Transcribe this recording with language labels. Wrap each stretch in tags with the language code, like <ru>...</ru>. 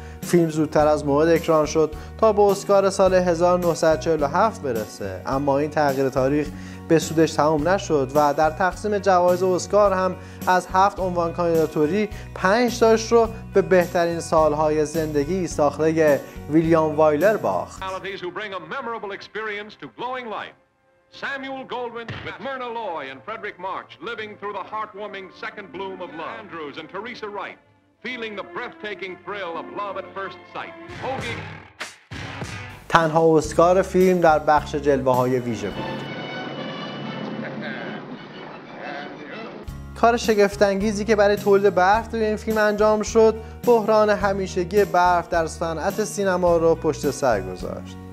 <fa>فیلم زودتر از موعد اکران شد تا به اسکار سال 1947 برسه، اما این تغییر تاریخ به سودش تمام نشد و در تقسیم جوایز اسکار هم از 7 عنوان کاندیداتوری 5 تاش رو به بهترین سالهای زندگی ساخته ویلیام وایلر باخت.</fa> <en>Samuel Goldwyn with Myrna Loy and Frederick March living through the heartwarming second bloom of love. Andrews and Teresa Wright feeling the breathtaking thrill of love at first sight. Hoagy.</en> <fa>تنها اسکار فیلم در بخش جلوه های ویژه بود. کار شگفت انگیزی که برای تولید برف توی این فیلم انجام شد، بحران همیشگی برف در صنعت سینما رو پشت سر گذاشت.</fa>